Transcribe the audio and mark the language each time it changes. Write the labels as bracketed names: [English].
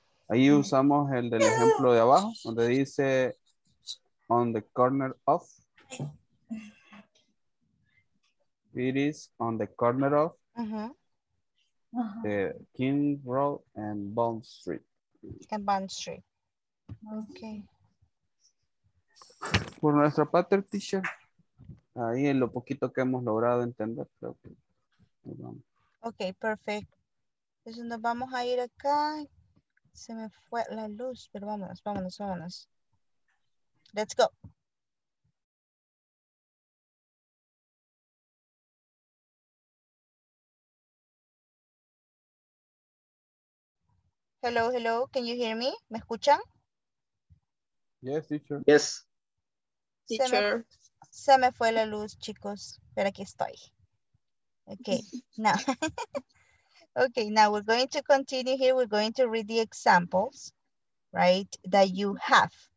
[Spanish] Ahí usamos el del ejemplo de abajo, donde dice [English] on the corner of. It is on the corner of the King Road and Bone Street. And Bone Street. Okay. [Spanish] Por nuestra [English] pattern teacher, [Spanish] ahí en lo poquito que hemos logrado entender, creo que. Ok, perfecto. Entonces nos vamos a ir acá. Se me fue la luz, pero vámonos. [English] Let's go. Hello, can you hear me? [Spanish] ¿Me escuchan? [English] Yes, teacher. Yes. [Spanish] Se me fue la luz, chicos, pero aquí estoy. [English] Okay, now we're going to continue here. We're going to read the examples, right, that you have.